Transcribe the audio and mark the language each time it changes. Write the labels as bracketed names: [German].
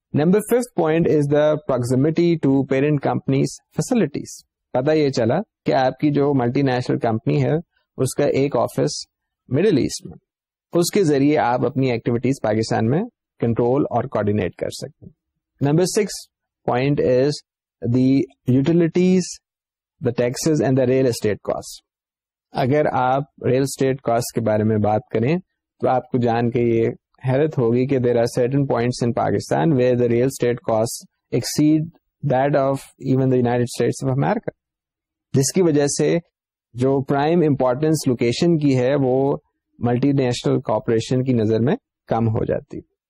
[English] Number fifth point is the proximity to parent companies facilities. [Urdu] پتا یہ چلا کہ آپ کی جو ملٹی نیشنل کمپنی ہے اس کا ایک آفس مڈل ایسٹ میں, اس کے ذریعے آپ اپنی ایکٹیویٹیز پاکستان میں کنٹرول اور کوآرڈینیٹ کر سکتے ہیں. [English] Number six point is the utilities the taxes and the real estate cost. [Urdu] اگر آپ ریئل اسٹیٹ کاسٹ کے بارے میں بات کریں تو آپ کو جان کے یہ حیرت ہوگی کہ [English] there are certain points in Pakistan where the real estate cost exceed that of even the United States of America, [Urdu] جس کی وجہ سے جو پرائم امپورٹنس لوکیشن کی ہے وہ ملٹی نیشنل کارپوریشن کی نظر میں کم ہو جاتی.